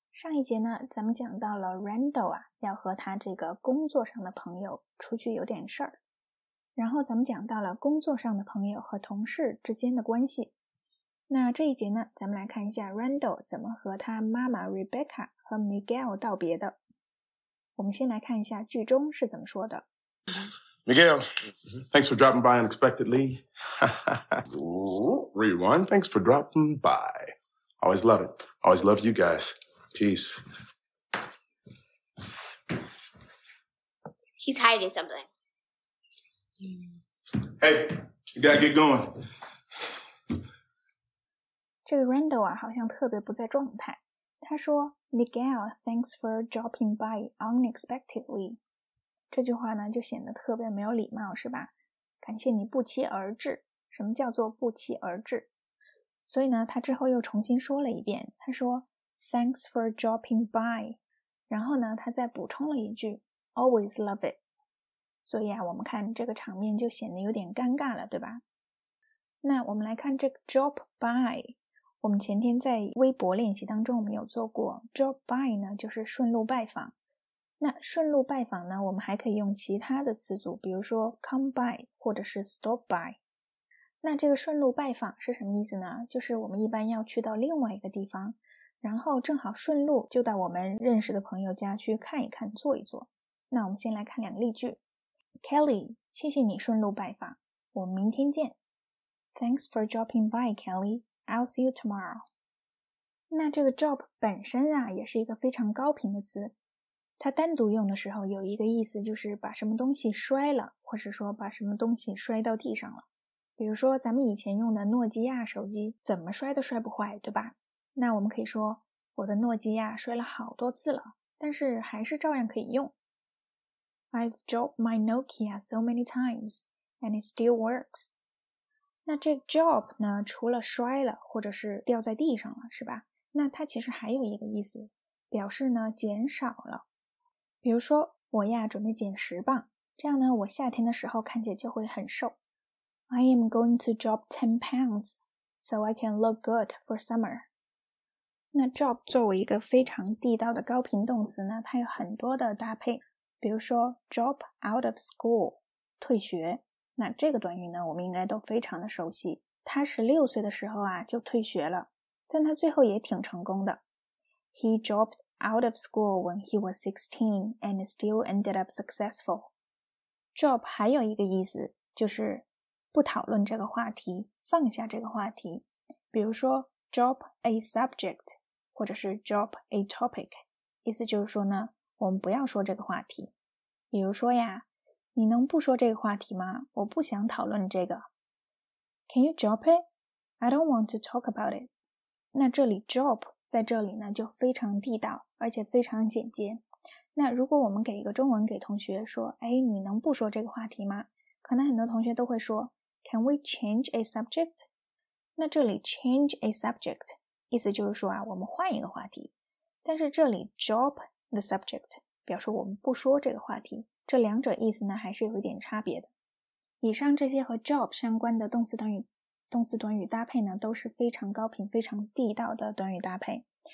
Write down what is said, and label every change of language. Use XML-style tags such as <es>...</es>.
<zh>上一节呢，咱们讲到了 Randall 啊，要和他这个工作上的朋友出去有点事儿。然后咱们讲到了工作上的朋友和同事之间的关系。那这一节呢，咱们来看一下 Randall 怎么和他妈妈 Rebecca 和 Miguel 道别的。我们先来看一下剧中是怎么说的。</zh> <en>Miguel, thanks for dropping by unexpectedly. Rewind, thanks for dropping by. Always love it. Always love you guys. Peace. He's hiding something. Hey, you gotta get going.</en> <zh>这个 Randall 啊，好像特别不在状态。他说</zh> <en>，Miguel, thanks for dropping by unexpectedly.</en> <zh>这句话呢，就显得特别没有礼貌，是吧？感谢你不期而至。什么叫做不期而至？所以呢，他之后又重新说了一遍，他说</zh> <en>Thanks for dropping by，</en> <zh>然后呢，他再补充了一句</zh> <en>Always love it。</en> <zh>所以啊，我们看这个场面就显得有点尴尬了，对吧？那我们来看这个 drop by， 我们前天在微博练习当中我们有做过 drop by 呢，就是顺路拜访。那顺路拜访呢，我们还可以用其他的词组，比如说 come by 或者是 stop by。那这个顺路拜访是什么意思呢？就是我们一般要去到另外一个地方，然后正好顺路就到我们认识的朋友家去看一看，坐一坐。那我们先来看两个例句。Kelly, 谢谢你顺路拜访，我们明天见。</zh> <en>Thanks for dropping by, Kelly. I'll see you tomorrow.</en> <zh>那这个 drop 本身啊，也是一个非常高频的词，它单独用的时候有一个意思，就是把什么东西摔了，或者说把什么东西摔到地上了。比如说咱们以前用的诺基亚手机怎么摔都摔不坏，对吧？那我们可以说我的诺基亚摔了好多次了，但是还是照样可以用。</zh> <en>I've dropped my Nokia so many times and it still works.</en> <zh>那这 drop 呢，除了摔了或者是掉在地上了，是吧？那它其实还有一个意思，表示呢减少了。比如说我呀准备减10磅，这样呢我夏天的时候看起来就会很瘦。</zh> <en>I am going to drop 10 pounds so I can look good for summer.</en> <zh>那 drop 作为一个非常地道的高频动词呢，它有很多的搭配，比如说</zh> <en>drop out of school,</en> <zh>退学。那这个短语呢，我们应该都非常的熟悉。他16岁的时候啊，就退学了，但他最后也挺成功的。</zh> <en>He dropped out of school when he was 16 and still ended up successful.</en> <zh>drop 还有一个意思，就是不讨论这个话题，放下这个话题。比如说 drop a subject 或者是 drop a topic， 意思就是说呢，我们不要说这个话题。比如说呀，你能不说这个话题吗？我不想讨论这个。</zh> <en>Can you drop it? I don't want to talk about it.</en> <zh>那这里 drop 在这里呢就非常地道，而且非常简洁。那如果我们给一个中文给同学说，哎，你能不说这个话题吗？可能很多同学都会说</zh> <en>Can we change a subject?</en> <zh>那这里 change a subject 意思就是说啊，我们换一个话题。但是这里 drop the subject 表示我们不说这个话题，这两者意思呢还是有一点差别的。以上这些和 drop 相关的动词短语搭配呢，都是非常高频非常地道的短语搭配。</zh>